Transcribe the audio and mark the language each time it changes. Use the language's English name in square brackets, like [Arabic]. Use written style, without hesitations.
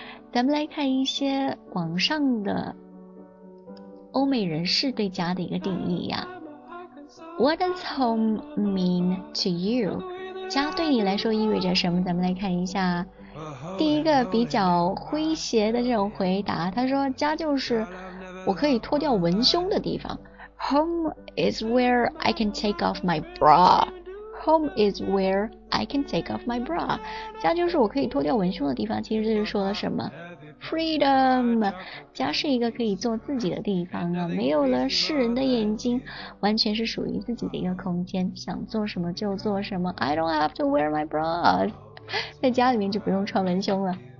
[Chinese] 咱们来看一些网上的欧美人士对家的一个定义呀。 [English] What does home mean to you? [Chinese] 家对你来说意味着什么？咱们来看一下第一个比较诙谐的这种回答。他说家就是我可以脱掉文胸的地方。 [English] Home is where I can take off my bra. Home is where I can take off my bra. [Chinese] 家就是我可以脱掉文胸的地方，其实这是说了什么？ Freedom， 家是一个可以做自己的地方啊，没有了世人的眼睛，完全是属于自己的一个空间，想做什么就做什么。 [English] I don't have to wear my bras， [Chinese] 在家里面就不用穿文胸了。